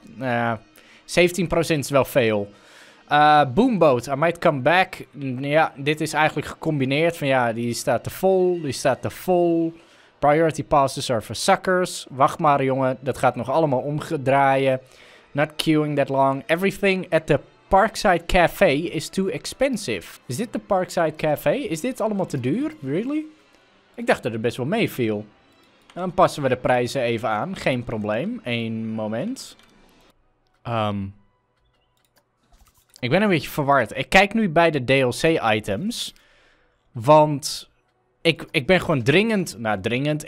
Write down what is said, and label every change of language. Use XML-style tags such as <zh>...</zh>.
<nl>17% is wel veel. Boomboat,</nl> <en>I might come back.</en> <nl>Ja, dit is eigenlijk gecombineerd. Van ja, die staat te vol. Die staat te vol.</nl> <en>Priority passes are for suckers.</en> <nl>Wacht maar, jongen. Dat gaat nog allemaal omdraaien.</nl> <en>Not queuing that long. Everything at the Parkside Cafe is too expensive.</en> <nl>Is dit de Parkside Cafe? Is dit allemaal te duur?</nl> <en>Really?</en> <nl>Ik dacht dat het best wel mee viel. Dan passen we de prijzen even aan. Geen probleem. Eén moment. Ik ben een beetje verward. Ik kijk nu bij de DLC items. Want ik ben gewoon dringend. Nou, dringend.</nl>